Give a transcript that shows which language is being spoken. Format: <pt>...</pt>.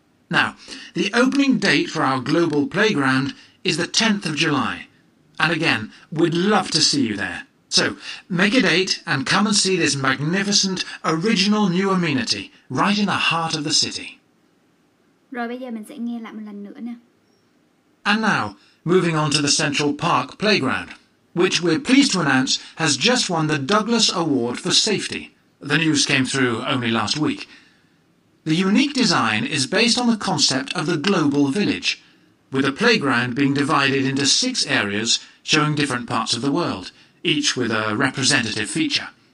<en>Now, the opening date for our global playground is the 10th of July. And again, we'd love to see you there. So, make a date and come and see this magnificent, original new amenity right in the heart of the city.</en> <vi>Rồi bây giờ mình sẽ nghe lại một lần nữa nè.</vi> <en>And now, moving on to the Central Park Playground, which we're pleased to announce has just won the Douglas Award for Safety. The news came through only last week. The unique design is based on the concept of the global village, with a playground being divided into six areas showing different parts of the world, each with a representative feature.</en>